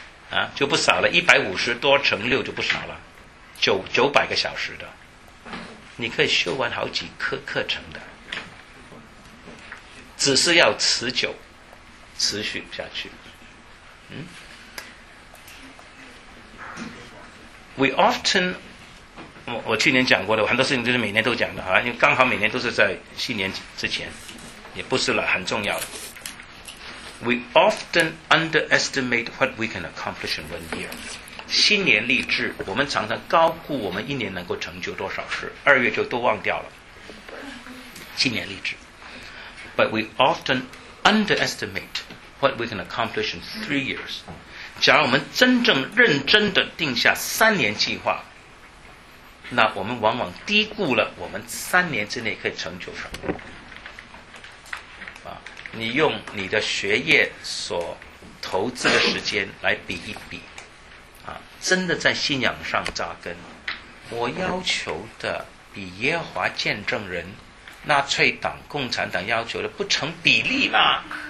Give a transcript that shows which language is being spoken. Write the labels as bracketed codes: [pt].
[zh] 啊，就不少了，一百五十多乘六就不少了，九百个小时的，你可以修完好几课课程的，只是要持久、持续下去。 [en] 嗯 ，We often。 [zh] 我去年讲过的，很多事情都是每年都讲的啊，因为刚好每年都是在新年之前，也不是了，很重要的。 [en] We often underestimate what we can accomplish in one year. [zh] 新年励志，我们常常高估我们一年能够成就多少事，二月就都忘掉了。新年励志。 [en] But we often underestimate what we can accomplish in 3 years. [zh] 假如我们真正认真地定下三年计划，那我们往往低估了我们三年之内可以成就什么。啊，你用你的学业所投资的时间来比一比，啊，真的在信仰上扎根，我要求的比耶和华见证人、纳粹党、共产党要求的不成比例嘛？